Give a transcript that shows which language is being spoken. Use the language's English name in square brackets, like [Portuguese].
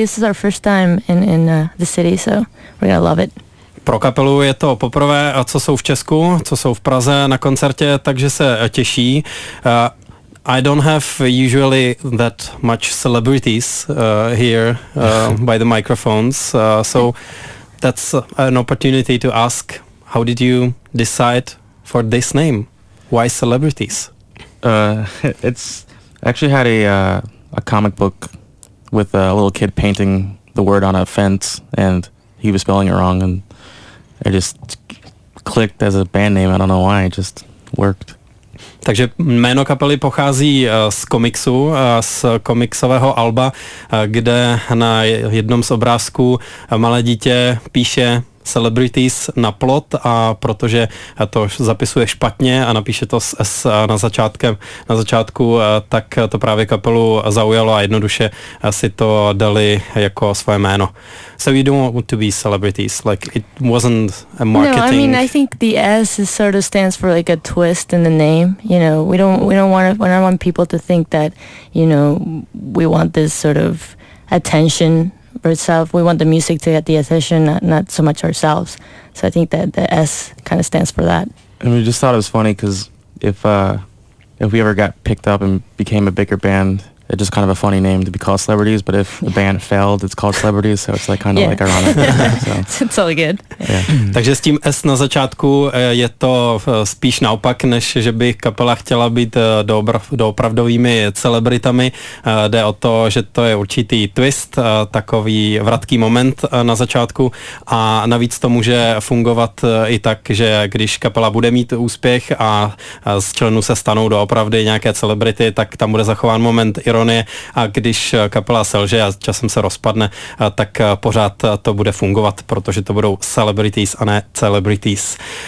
[English] This is our first time in the city, so we're gonna love it. [Czech] Pro kapelu je to poprvé, a co jsou v Česku, co jsou v Praze na koncertě, takže se těší. [English] I don't have usually that much celebrities here by the microphones, so that's an opportunity to ask, how did you decide for this name? Why celebrities? It's actually had a comic book with a little kid painting the word on a fence, and he was spelling it wrong, and it just clicked as a band name. I don't know why, it just worked. [Czech] Takže jméno kapely pochází z komiksu, z komiksového alba, kde na jednom z obrázků malé dítě píše Celebrities na plot, a protože to zapisuje špatně a napíše to s S na začátku, tak to právě kapelu zaujalo a jednoduše si to dali jako svoje jméno. [English] So you don't want to be celebrities, like it wasn't a marketing. No, I mean, I think the S is sort of stands for like a twist in the name, you know. We don't want people to think that, you know, we want this sort of attention for itself. We want the music to get the attention, not so much ourselves. So I think that the S kind of stands for that. And we just thought it was funny because if we ever got picked up and became a bigger band, it's just kind of a funny name to be called Celebrities. But if the band failed, it's called Celebrities, so it's like kind of like ironic. It's all good. [Czech] Takže s tím S na začátku je to spíš naopak, než že by kapela chtěla být doopravdovými celebritami. Jde o to, že to je určitý twist, takový vratký moment na začátku, a navíc to může fungovat i tak, že když kapela bude mít úspěch a z členů se stanou doopravdy nějaké celebrity, tak tam bude zachován moment ironie, a když kapela selže a časem se rozpadne, tak pořád to bude fungovat, protože to budou celebrities a ne celebrities.